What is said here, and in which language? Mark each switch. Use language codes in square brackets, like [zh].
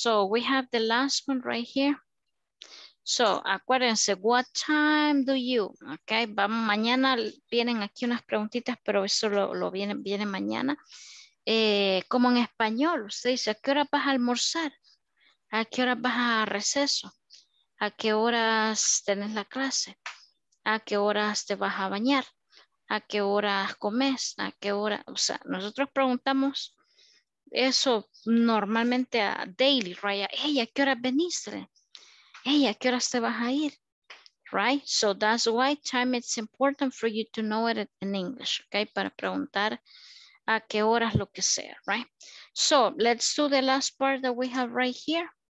[en] So we have the last one right here. So, [es] acuérdense, [en] what time do you? [es] Okay, vamos, mañana vienen aquí unas preguntitas, pero eso lo viene mañana. Como en español, usted dice, ¿a qué hora vas a almorzar? ¿A qué hora vas a receso? ¿A qué horas tenés la clase? ¿A qué horas te vas a bañar? ¿A qué horas comes? ¿A qué hora? O sea, nosotros preguntamos eso normalmente a daily, right? Hey, ¿a qué hora veniste? Hey, ¿a qué horas te vas a ir? [en] Right? So that's why time is important for you to know it in English, okay? [es] Para preguntar a qué horas lo que sea, right? [en] So let's do the last part that we have right here.